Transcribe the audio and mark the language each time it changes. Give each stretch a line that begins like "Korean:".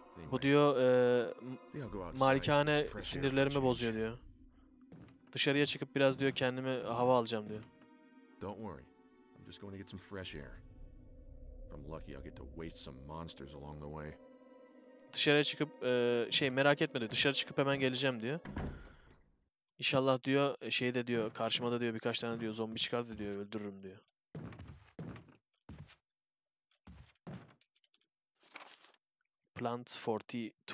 Turkish: Bu diyor malikane sinirlerimi bozuyor diyor. Dışarıya çıkıp biraz diyor kendime hava alacağım diyor.
English: Don't worry. I'm just going to get some fresh air. If I'm lucky, I'll get to waste some monsters along the way.
Turkish: Dışarıya çıkıp şey merak etme diyor. Dışarı çıkıp hemen geleceğim diyor. İnşallah diyor şey de diyor karşıma da diyor birkaç tane diyor zombi çıkar da diyor öldürürüm diyor.
English: Plant 42.